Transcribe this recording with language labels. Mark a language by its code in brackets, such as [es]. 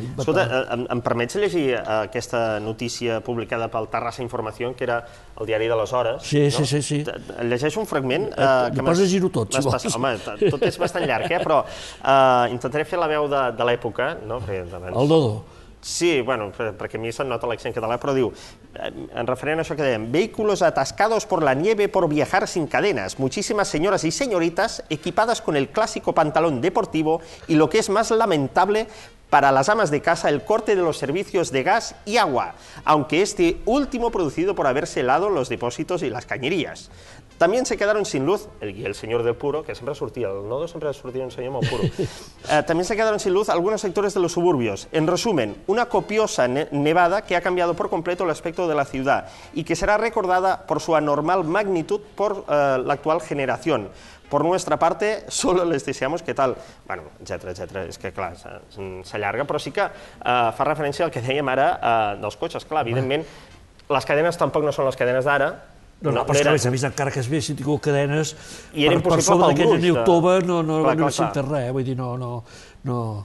[ca] Escolta, em permets llegir aquesta notícia publicada pel Terrassa Informació, que era el diari de les Hores? Sí, no? sí. Llegeixo un fragment... Que pots llegir-ho tot, si vols. Home, tot és bastant llarg, però intentaré fer la veu de l'època, no? El Dodo. Sí, bueno, perquè a mi se'n nota l'accent català, però diu, en referent a això que dèiem, [es] vehículos atascados por la nieve por viajar sin cadenas, muchísimas señoras y señoritas equipadas con el clásico pantalón deportivo y lo que es más lamentable para las amas de casa, el corte de los servicios de gas y agua, aunque este último producido por haberse helado los depósitos y las cañerías. También se quedaron sin luz, y el señor del puro, que siempre surtía, el nodo siempre surtía un señor muy puro, también se quedaron sin luz algunos sectores de los suburbios. En resumen, una copiosa nevada que ha cambiado por completo el aspecto de la ciudad y que será recordada por su anormal magnitud por la actual generación. Por nuestra parte, solo les deseamos que tal... [ca] Bueno, etcètera. És que, clar, s'allarga, però sí que fa referència al que dèiem ara dels cotxes. Clar, evidentment, les cadenes tampoc no són les cadenes d'ara, No, però és que, a més, encara que es vés, si tingui cadenes, i era per sobre d'aquella neu tova, no s'interrà, vull dir, no, no, no,